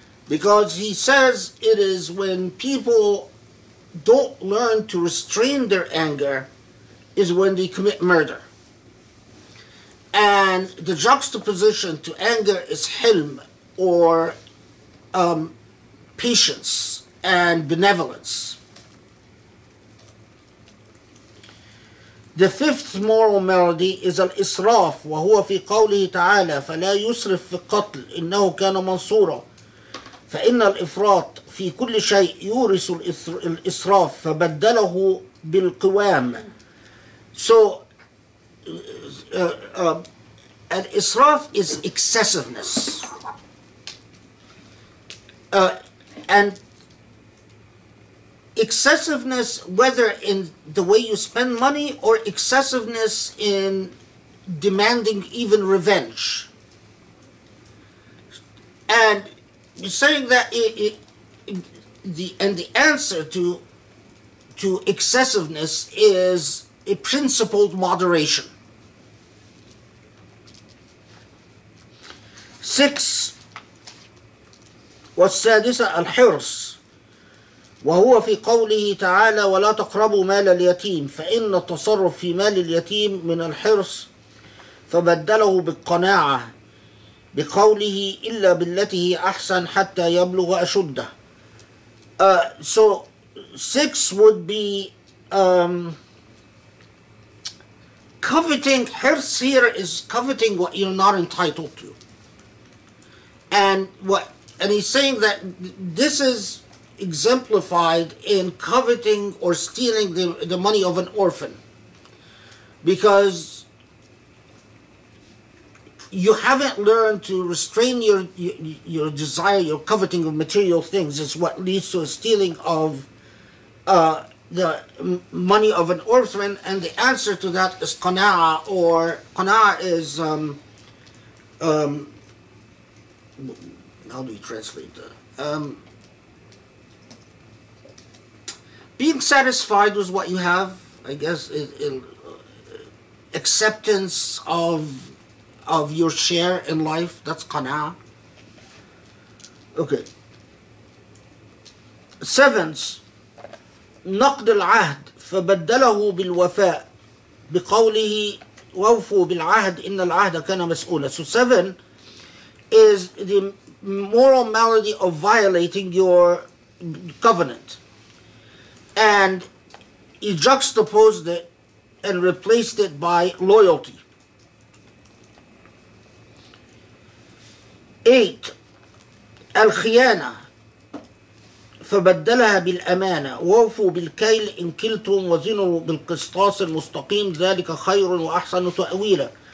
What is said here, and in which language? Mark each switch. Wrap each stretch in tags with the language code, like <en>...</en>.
<en>Because he says it is when people don't learn to restrain their anger is when they commit murder. And the juxtaposition to anger is hilm or patience and benevolence. The fifth moral malady is al-israf,</en> <ar>وَهُوَ فِي قَوْلِهِ تَعَالَى فَلَا يُسْرِفْ فِي الْقَتْلِ إِنَّهُ كَانَ مَنْصُورًا فَإِنَّ الْإِفْرَاطِ فِي كُلِّ شَيْءٍ يُورِسُ الْإِسْرَافِ فَبَدَّلَهُ بِالْقِوَامِ.</ar> <en>So an israf is excessiveness. And excessiveness, whether in the way you spend money or excessiveness in demanding even revenge. And saying that the answer to excessiveness is a principled moderation. Six.</en> <ar>والسادسة الحرص وهو في قوله تعالى ولا تقربوا مال اليتيم فإن التصرف في مال اليتيم من الحرص فبدله بالقناعة بقوله إلا بالتي هي أحسن حتى يبلغ أشده.</ar> <en>So six would be coveting. Hirs here is coveting what you're not entitled to. And he's saying that this is exemplified in coveting or stealing the money of an orphan. Because you haven't learned to restrain your desire, your coveting of material things is what leads to a stealing of the money of an orphan. And the answer to that is qana'ah, or qana'ah is... how do you translate that? Being satisfied with what you have, I guess, acceptance of your share in life, that's qana'ah. Okay. Seventh,</en> <ar>نقد العهد فبدله بالوفاء بقوله وفوا بالعهد إن العهد كان مسؤولا.</ar> <en>So seven is the moral malady of violating your covenant. And he juxtaposed it and replaced it by loyalty. Eight,</en> <ar>الخيانة فبدلها بالأمانة ووفوا بالكيل إن كلتم وزنوا بالقسطاس المستقيم ذلك خير وأحسن تأويلا.</ar>